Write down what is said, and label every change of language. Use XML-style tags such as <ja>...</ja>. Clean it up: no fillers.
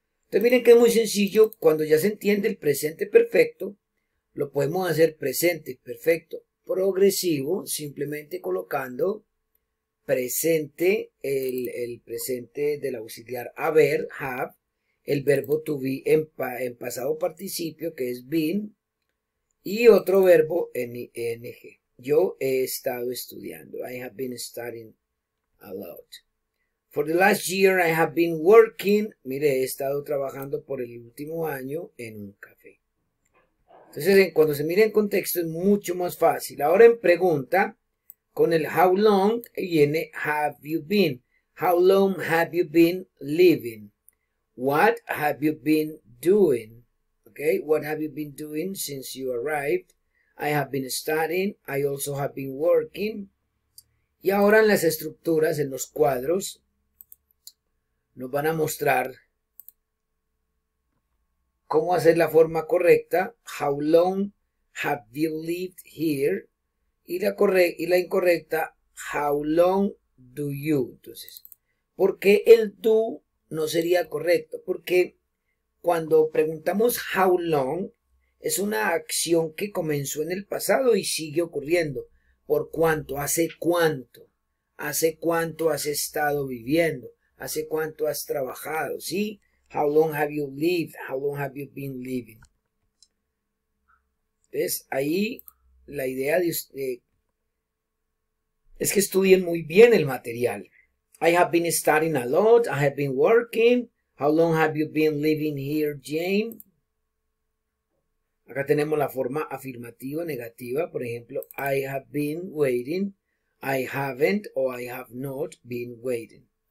<es>Entonces miren que es muy sencillo, cuando ya se entiende el presente perfecto, lo podemos hacer presente perfecto progresivo, simplemente colocando presente, el presente del auxiliar haber, have, el verbo to be en pasado participio, que es been, y otro verbo en ing. Yo he estado estudiando.</es> <en>I have been studying a lot. For the last year I have been working.</en> <es>Mire, he estado trabajando por el último año en un café. Entonces, cuando se mira en contexto es mucho más fácil. Ahora en pregunta, con el how long viene</es> <en>have you been. How long have you been living? What have you been doing? Okay, what have you been doing since you arrived? I have been studying. I also have been working.</en> <es>Y ahora en las estructuras, en los cuadros, nos van a mostrar cómo hacer la forma correcta.</es> <en>How long have you lived here?</en> <es>Y la incorrecta,</es> <en>how long do you?</en> <es>Entonces, ¿por qué el do no sería correcto? Porque cuando preguntamos</es> <en>how long,</en> <es>es una acción que comenzó en el pasado y sigue ocurriendo. ¿Por cuánto? ¿Hace cuánto? ¿Hace cuánto has estado viviendo? ¿Hace cuánto has trabajado? ¿Sí?</es> <en>How long have you lived? How long have you been living?</en> <es>¿Ves? Ahí la idea de es que estudien muy bien el material.</es> <en>I have been studying a lot. I have been working. How long have you been living here, Jane?</en> <es>Acá tenemos la forma afirmativa, negativa. Por ejemplo,</es> <en>I have been waiting. I haven't o I have not been waiting.</en>